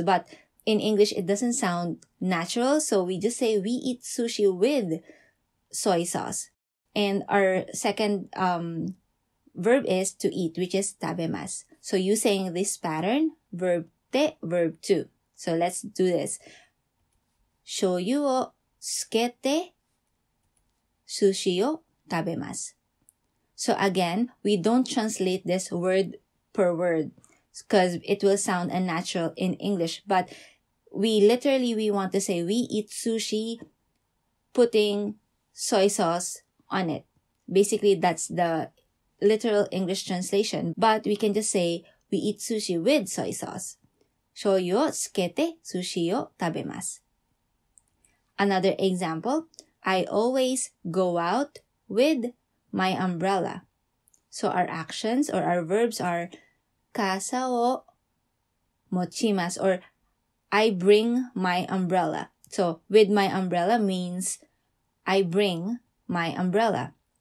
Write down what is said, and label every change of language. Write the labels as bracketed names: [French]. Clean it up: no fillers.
[English] But in English, it doesn't sound natural, so we just say we eat sushi with soy sauce. And our second, verb is to eat, which is 食べます. So you saying this pattern, verb て, verb 2. So let's do this. [Japanese] 醤油をつけて寿司を食べます. [English] So again, we don't translate this word per word because it will sound unnatural in English. But we want to say we eat sushi putting soy sauce on it. Basically, that's theLiteral English translation, but we can just say we eat sushi with soy sauce. [Japanese] 醤油をつけて寿司を食べます。 [English] Another example, I always go out with my umbrella. So our actions or our verbs are [Japanese] 傘を持ちます [English] or I bring my umbrella. So with my umbrella means I bring my umbrella.